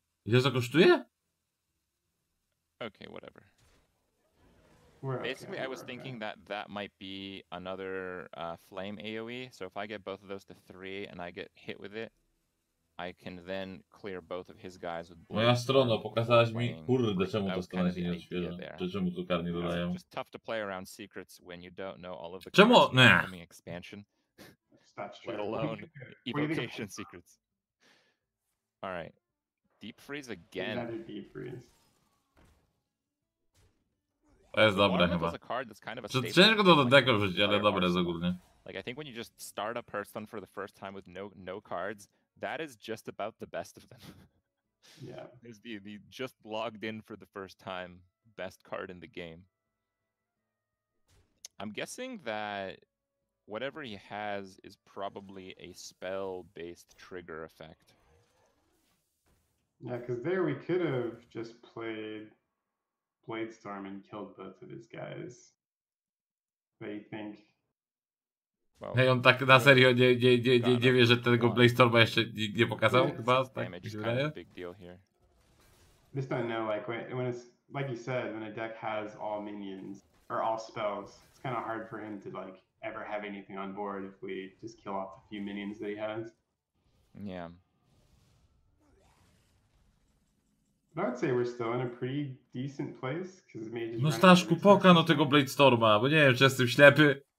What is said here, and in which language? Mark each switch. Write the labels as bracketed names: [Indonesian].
[Polish] Ile to kosztuje? [English] Okay, whatever. Basically, I was thinking that might be another flame AoE. So if I get both of those to 3 and I get hit with it, I can then clear both of his guys with blades. [Polish] Moja strona, pokazałaś mi, kurde, czemu to stronę się nie odświeża. To czemu tu kar nie dodają. [English] It's tough to play around secrets when you don't know all of the [Polish] czemu? [English] Coming expansion. Let alone evocation secrets. Alright. Deep freeze again. Deep freeze. [Polish] To jest dobre chyba. Ciężko to do deku wrzucić, ale dobre jest ogólnie. [English] Like, I think when you just start a person for the first time with no cards, that is just about the best of them. Yeah. It's the just logged in for the first time best card in the game. I'm guessing that whatever he has is probably a spell-based trigger effect. Yeah, because there we could have just played Bladestorm and killed both of his guys. But you think... Well, hey, [Polish] on tak na serio nie wie, że tego Bladestorma jeszcze nie pokazał, chyba, tak mi się wydaje. [English] Big deal here. Just don't know, like, when it's, like you said, when a deck has all minions, or all spells, it's kind of hard for him to, like, ever have anything on board if we just kill off a few minions that he has. Yeah. But I would say we're still in a pretty decent place, because it may just... [Polish] No, Staszku, poka no tego Bladestorma, bo nie wiem, czy jestem ślepy.